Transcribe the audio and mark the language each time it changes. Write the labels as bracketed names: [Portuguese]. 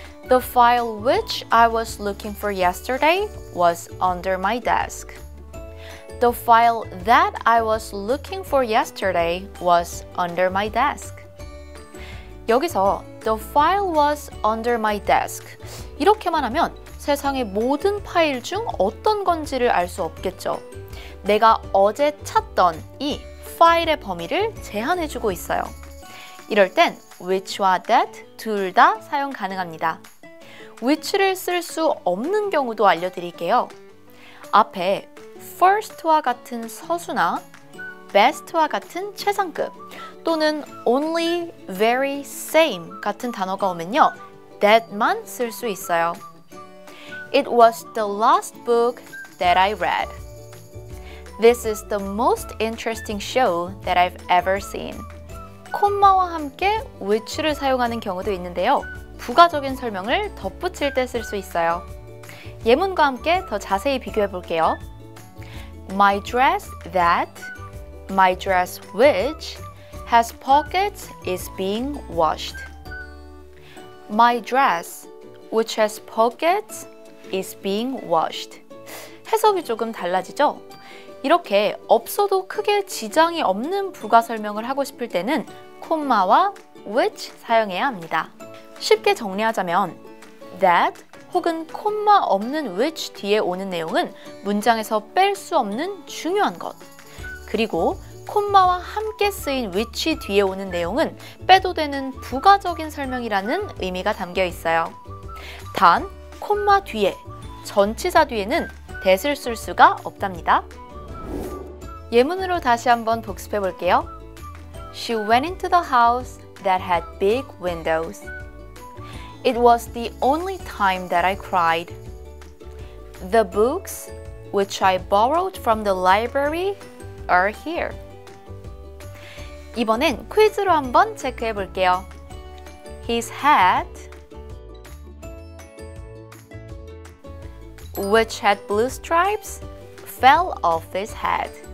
[English] The file which I was looking for yesterday was under my desk. The file that I was looking for yesterday was under my desk. [Korean] 여기서 [English] the file was under my desk. [Korean] 이렇게만 하면 세상의 모든 파일 중 어떤 건지를 알 수 없겠죠. 내가 어제 찾던 이 파일의 범위를 제한해주고 있어요. 이럴 땐 which와 that 둘 다 사용 가능합니다. which를 쓸 수 없는 경우도 알려드릴게요. 앞에 first와 같은 서수나 best와 같은 최상급 또는 only, very, same 같은 단어가 오면요. that만 쓸 수 있어요. [English] It was the last book that I read. This is the most interesting show that I've ever seen. [Korean] 콤마와 함께 which를 사용하는 경우도 있는데요. 부가적인 설명을 덧붙일 때 쓸 수 있어요. 예문과 함께 더 자세히 비교해 볼게요. [English] My dress that, my dress which has pockets is being washed. My dress which has pockets is being washed. [Korean] 해석이 조금 달라지죠? 이렇게 없어도 크게 지장이 없는 부가 설명을 하고 싶을 때는 콤마와 which 사용해야 합니다. 쉽게 정리하자면 that 혹은 콤마 없는 which 뒤에 오는 내용은 문장에서 뺄 수 없는 중요한 것. 그리고 콤마와 함께 쓰인 which 뒤에 오는 내용은 빼도 되는 부가적인 설명이라는 의미가 담겨 있어요. 단, 콤마 뒤에, 전치사 뒤에는 that을 쓸 수가 없답니다. 예문으로 다시 한번 복습해 볼게요. [English] She went into the house that had big windows. It was the only time that I cried. The books, which I borrowed from the library, are here. [Korean] 이번엔 퀴즈로 한번 체크해 볼게요. [English] His hat, which had blue stripes, fell off his head.